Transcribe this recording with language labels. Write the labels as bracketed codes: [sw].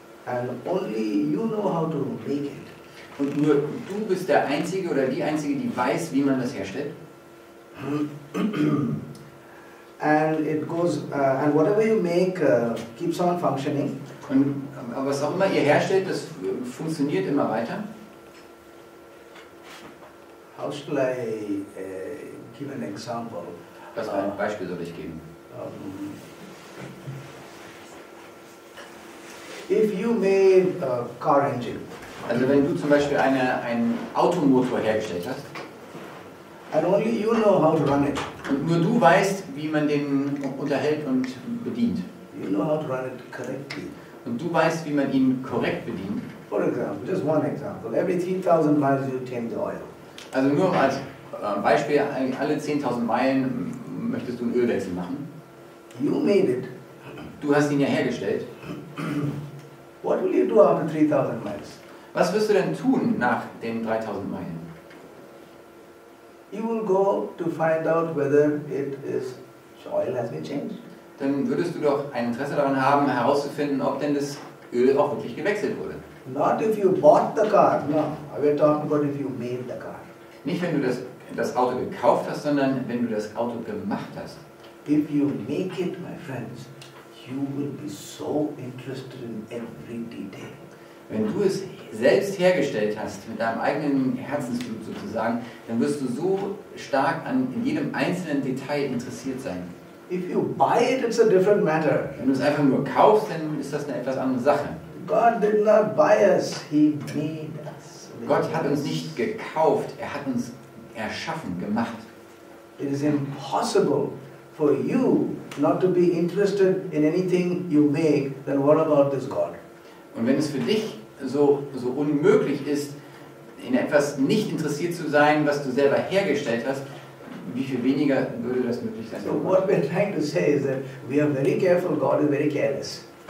[en] and only you know how to make it, [de] und nur du bist der Einzige oder die Einzige, die weiß, wie man das herstellt, [en] and it goes and whatever you make keeps on functioning. [de] Und was auch immer ihr herstellt, das funktioniert immer weiter. [en] How shall I give an example? [de] Was für ein Beispiel soll ich geben? [en] If you made a car engine. [de] Also wenn du zum Beispiel einen Automotor hergestellt hast. [en] And only you know how to run it. [de] Und nur du weißt, wie man den unterhält und bedient. [en] You know how to run it correctly. [de] Und du weißt, wie man ihn korrekt bedient. [en] For example, just one example. Every 10,000 miles you change the oil. [de] Also nur als Beispiel, alle 10,000 Meilen möchtest du einen Ölwechsel machen. [en] You made it. [de] Du hast ihn ja hergestellt. [en] What will you do after 3,000 miles? [de] Was wirst du denn tun nach den 3,000 Meilen? [en] You will go to find out whether it is oil has been changed. [de] Dann würdest du doch ein Interesse daran haben, herauszufinden, ob denn das Öl auch wirklich gewechselt wurde. [en] Not if you bought the car, no. We're talking about if you made the car. [de] Nicht wenn du das Auto gekauft hast, sondern wenn du das Auto gemacht hast. [en] If you make it, my friends, you will be so interested in every detail. [de] Wenn du es selbst hergestellt hast, mit deinem eigenen Herzensblut sozusagen, dann wirst du so stark an in jedem einzelnen Detail interessiert sein. [en] If you buy it, it's a different matter. [de] Wenn du es einfach nur kaufst, dann ist das eine etwas andere Sache. [en] God did not buy us, he made us. [de] Gott hat uns nicht gekauft, er hat uns erschaffen, gemacht. [en] It is impossible for you not to be interested in anything you make, then what about this God? [de] Und wenn es für dich so unmöglich ist, in etwas nicht interessiert zu sein, was du selber hergestellt hast, wie viel weniger würde das möglich sein? [en] So what we're trying to say is that we are very careful, God is very careless.